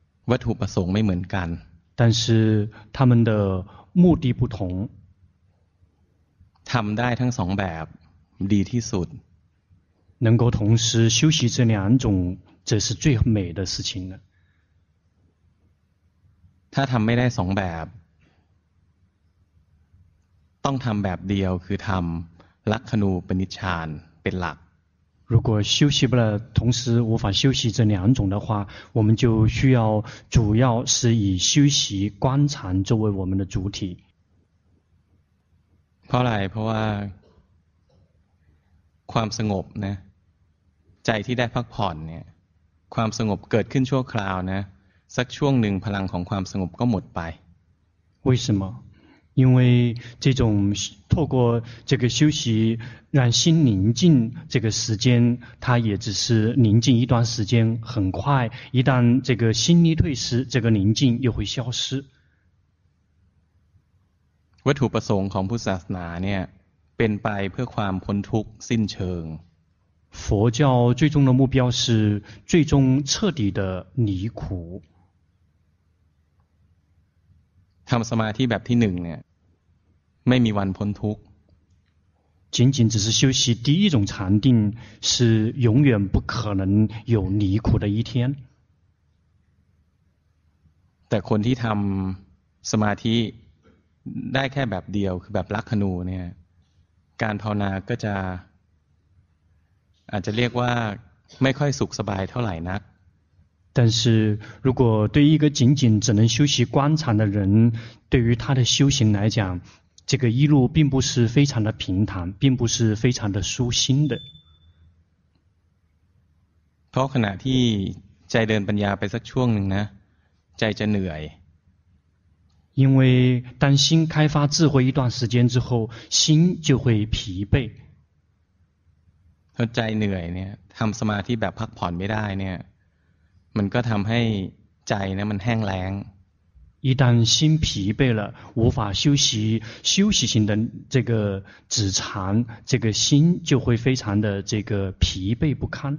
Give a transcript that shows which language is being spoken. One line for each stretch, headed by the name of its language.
Thai: วัตถุประสงค์ไม่เหมือนกัน
Chinese: 但是他们的目的不同
Thai: ทำได้ทั้งสองแบบดีที่สุด
Chinese: 能够同时修习这两种这是最美的事情了
Thai: ถ้าทำไม่ได้สองแบบต้องทำแบบเดียวคือทำลักขณูปนิชฌานเป็นหลัก
Chinese: 如果修习不了，同时无法修习这两种的话，我们就需要主要是以修习观禅作为我们的主体。
Thai: เพราะอะไรเพราะว่าความสงบนะใจที่ได้พักผ่อนเนี่ยความสงบเกิดขึ้นชั่วคราวนะสักช่วงหนึ่งพลังของความสงบก็หมดไป
Chinese: 为什么因为这种透过这个休息让心宁静这个时间它也只是宁静一段时间很快一旦这个心力退失这个宁静又会消失
Thai: วัตถุประสงค์ของพุทธศาสนาเนี่ยเป็นไปเพื่อความพ้นทุกข์สิ้นเชิง
Chinese: 佛教最终的目标是最终彻底的离苦
Thai: ทำสมาธิแบบที่หนึ่งเนี่ยไม่มีวันพ้นทุกข์
Chinese: 仅仅只是修习第一种禅定是永远不可能有离苦的一天
Thai: แต่คนที่ทำสมาธิได้แค่แบบเดียวคือแบบลักขณูเนี่ยการภาวนาก็จะอาจจะเรียกว่าไม่ค่อยสุขสบายเท่าไหร่นัก
Chinese: 但是如果对一个仅仅只能修习观禅的人对于他的修行来讲这个一路并不是非常的平坦并不是非常的舒心的
Thai: เพราะขณะที่ใจเดินปัญญาไปสักช่วงหนึ่งนะใจจะเหนื่อย
Chinese: 因为当心开发智慧一段时间之后心就会疲惫
Thai: พอใจเหนื่อยเนี่ยทำสมาธิแบบพักผ่อนไม่ได้เนี่ยมันก็ทำให้ใจนะมันแห้งแล้ง
Chinese: 一旦心疲惫了无法休息型的这个止禅这个心就会非常的这个疲惫不堪